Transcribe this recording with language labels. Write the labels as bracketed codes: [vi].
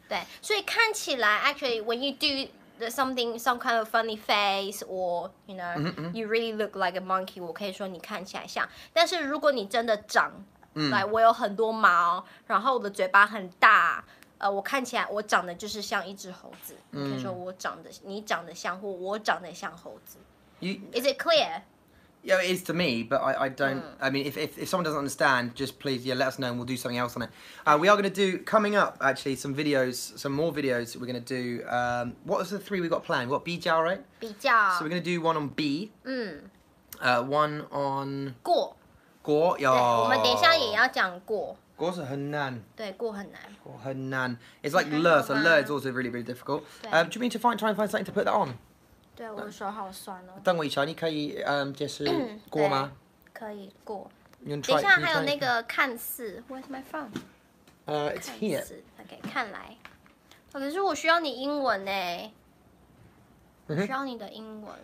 [zh] 对，所以看起来 [en] actually when you do something some kind of funny face or you know you really look like a monkey, [zh] 我可以说你看起来像。但是如果你真的长， like 我有很多毛，然后我的嘴巴很大。我看起来我长得就是像一只猴子，你可以说我长得，你长得像或我长得像猴子。 [en] Is it clear? Yeah, it is to me, but I don't. I mean, if someone doesn't understand, just please let us know and we'll do something else on it. We are going to do coming up actually some videos, some more videos that we're going to do. What was the three we got planned? What 比较, right? [zh] 比较. [en] So we're going to do one on B. One on [zh] 过。过 yeah. 对，我们等一下也要讲过。果是很难。对，果很难。果很难. [en] It's like le, so le is also really, really difficult. Do you mean to try and find something to put that on? [zh] 对，我的手好酸哦。等我一下，你可以解释果吗？可以，果。等一下，还有那个看似。 [en] Where's my phone? It's here. [zh] Okay, 看来。可是我需要你英文耶。需要你的英文。